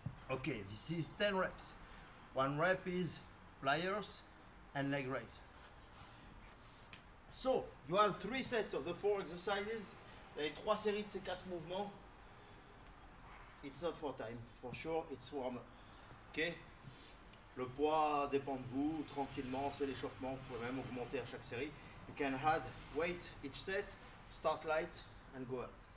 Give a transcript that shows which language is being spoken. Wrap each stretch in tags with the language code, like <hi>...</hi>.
<en>Okay, this is 10 reps. One rep is pliers and leg raise. So, you have 3 sets of the 4 exercises.</en> <fr>Vous avez 3 séries de ces 4 mouvements.</fr> <en>It's not for time, for sure, it's warm up. Okay?</en> <fr>Le poids dépend de vous, tranquillement, c'est l'échauffement, vous pouvez même augmenter à chaque série.</fr> <en>You can add weight each set, start light and go up.</en>